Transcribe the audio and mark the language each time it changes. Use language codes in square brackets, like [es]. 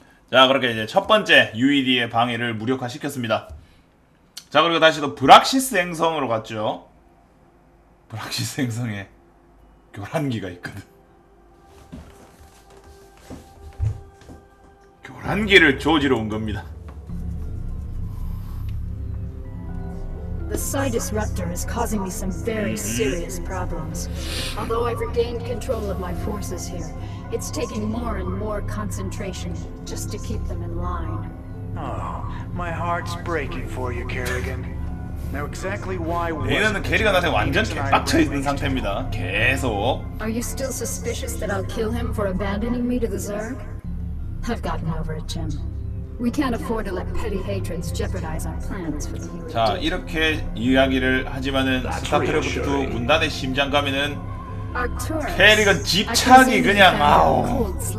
[ko] 자, 그렇게 이제 첫 번째 UED의 방해를 무력화시켰습니다. 자, 그리고 다시 또 브락시스 행성으로 갔죠. 브락시스 행성에 교란기가 있거든. 교란기를 조지로 온 겁니다. [en] The Psy Disruptor is causing me some very serious problems. Although I've regained control of my forces here, it's taking more and more concentration just to keep them in line. Oh, my heart's breaking for you, Kerrigan. Now exactly why was it? [ko] 얘는 캐리가 나한테 완전 빡쳐 있는 상태입니다. 계속. [en] Are you still suspicious that I'll kill him for abandoning me to the Zerg? I've gotten over it, Jim. We can't afford to let petty hatreds jeopardize our plans for the UED. [ko] 자, 이렇게 이야기를 하지만은 스타크래프트 문단의 심장감이는 캐리건 집착이 그냥 아우.